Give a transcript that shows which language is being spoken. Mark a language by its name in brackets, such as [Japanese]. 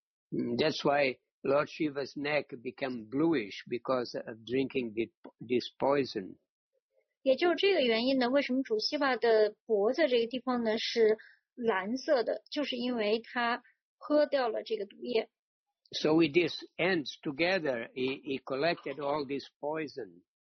[English] That's why Lord Shiva's neck became bluish because of drinking this poison. [Chinese] 也就是这个原因呢，为什么主希瓦的脖子这个地方呢是蓝色的，就是因为他喝掉了这个毒液。 [English] So with this ends together, he collected all this poison.